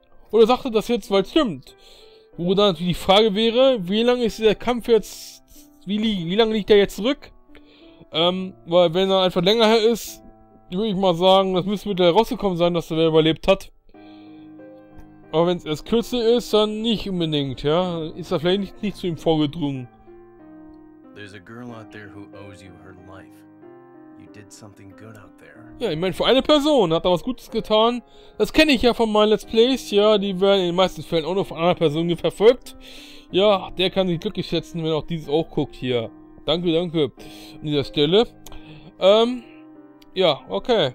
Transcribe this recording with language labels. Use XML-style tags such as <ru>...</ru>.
<de>Oder sagt er das jetzt, weil es stimmt? Wo dann natürlich die Frage wäre, wie lange ist der Kampf jetzt, wie lange liegt der jetzt zurück? Weil wenn er einfach länger her ist, würde ich mal sagen, das müsste mit der rausgekommen sein, dass er überlebt hat. Aber wenn es erst kürzer ist, dann nicht unbedingt, ja. Ist er vielleicht nicht zu ihm vorgedrungen.</de> <en>There's a girl out there who owes you her life. You did something good out there.</en> <de>Ja, ich meine, für eine Person hat er was Gutes getan. Das kenne ich ja von meinen Let's Plays, ja. Die werden in den meisten Fällen auch nur von einer Person verfolgt. Ja, der kann sich glücklich schätzen, wenn auch dieses auch guckt hier. Danke, danke. An dieser Stelle. Okay.</de>